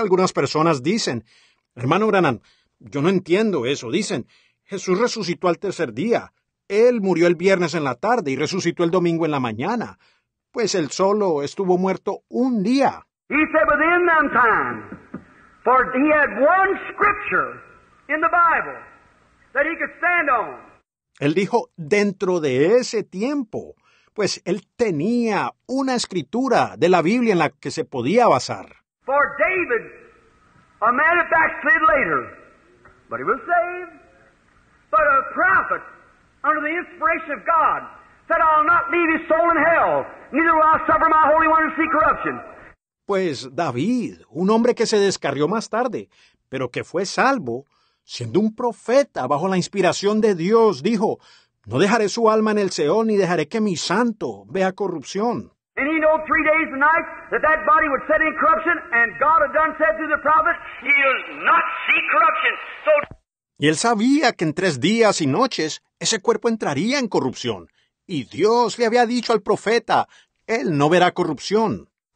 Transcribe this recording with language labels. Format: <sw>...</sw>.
<es>Algunas personas dicen, hermano Branham, yo no entiendo eso. Dicen, Jesús resucitó al tercer día. Él murió el viernes en la tarde y resucitó el domingo en la mañana. Pues él solo estuvo muerto un día.</es> <en>He said within them time, for he had one scripture in the Bible that he could stand on.</en> <es>Él dijo dentro de ese tiempo, pues él tenía una escritura de la Biblia en la que se podía basar.</es> <en>For David, a man of backslid later, but he was saved. But a prophet, under the inspiration of God, said, I'll not leave his soul in hell, neither will I suffer my holy one to see corruption.</en> <es>Pues David, un hombre que se descarrió más tarde, pero que fue salvo, siendo un profeta bajo la inspiración de Dios, dijo, no dejaré su alma en el Seol, ni dejaré que mi santo vea corrupción.</es> <en>And he knew 3 days and nights that that body would set in corruption, and God had done said to the prophet, he'll not see corruption. So...</en> <es>Y él sabía que en 3 días y noches ese cuerpo entraría en corrupción. Y Dios le había dicho al profeta, él no verá corrupción.</es>